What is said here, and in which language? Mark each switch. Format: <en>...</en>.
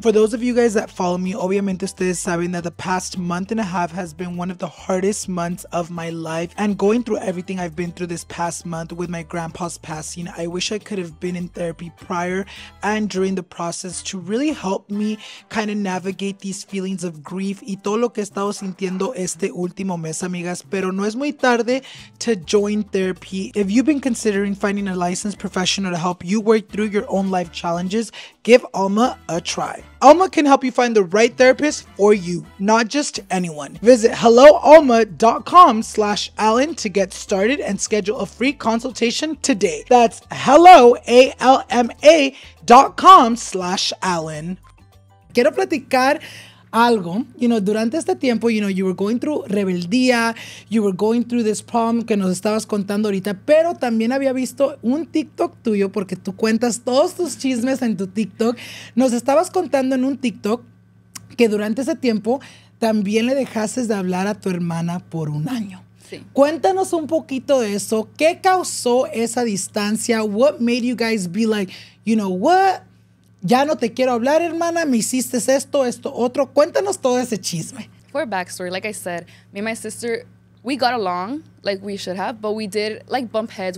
<en>For those of you guys that follow me,</en> <es>obviamente ustedes saben</es> <en>that the past month and a half has been one of the hardest months of my life, and going through everything I've been through this past month with my grandpa's passing, I wish I could have been in therapy prior and during the process to really help me kind of navigate these feelings of grief</en> <es>y todo lo que he estado sintiendo este último mes, amigas. Pero no es muy tarde</es> <en>to join therapy. If you've been considering finding a licensed professional to help you work through your own life challenges, give Alma a try. Alma can help you find the right therapist for you, not just anyone. Visit helloalma.com/Alan to get started and schedule a free consultation today. That's helloalma.com/Alan.</en> <es>Quiero platicar algo. You know, durante este tiempo, you know,</es> <en>you were going through rebeldía, you were going through this problem</en> <es>que nos estabas contando ahorita, pero también había visto un TikTok tuyo, porque tú cuentas todos tus chismes en tu TikTok. Nos estabas contando en un TikTok que durante ese tiempo también le dejaste de hablar a tu hermana por un año. Sí. Cuéntanos un poquito de eso. ¿Qué causó esa distancia?</es> <en>What made you guys be like, you know, what?</en> <es>Ya no te quiero hablar, hermana. Me hiciste esto, esto, otro. Cuéntanos todo ese chisme.</es> <en>For a backstory, like I said, me and my sister, we got along like we should have, but we did like bump heads.</en>